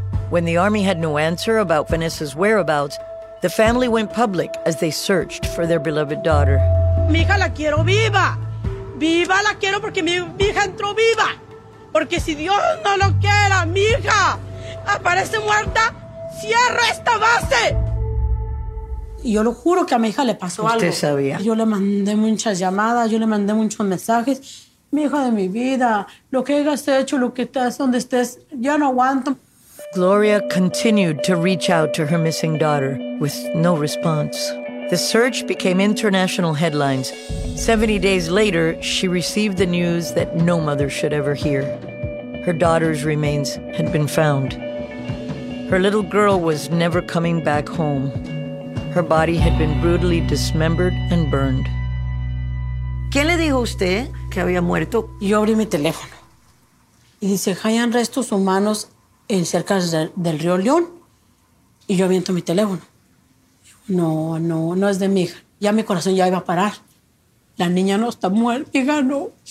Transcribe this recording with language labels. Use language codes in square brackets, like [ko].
[en] When the Army had no answer about Vanessa's whereabouts, the family went public as they searched for their beloved daughter. [es] Mi hija la quiero viva. Viva la quiero porque mi hija entró viva. Porque si Dios no lo quiera, mi hija aparece muerta, cierra esta base. Yo lo juro que a mi hija le pasó usted algo. Usted sabía. Yo le mandé muchas llamadas, yo le mandé muchos mensajes. Mi hija de mi vida, lo que hayas hecho, lo que estés, donde estés, ya no aguanto. [en] Gloria continued to reach out to her missing daughter with no response. The search became international headlines. 70 days later, she received the news that no mother should ever hear. Her daughter's remains had been found. Her little girl was never coming back home. Her body had been brutally dismembered and burned. [es] ¿Qué le dijo usted que había muerto? Yo abrí mi teléfono. Y dice, hayan restos humanos en cerca del río León. Y yo aviento mi teléfono. No es de mi hija. Ya mi corazón ya iba a parar. La niña no está muerta. Mi hija, no.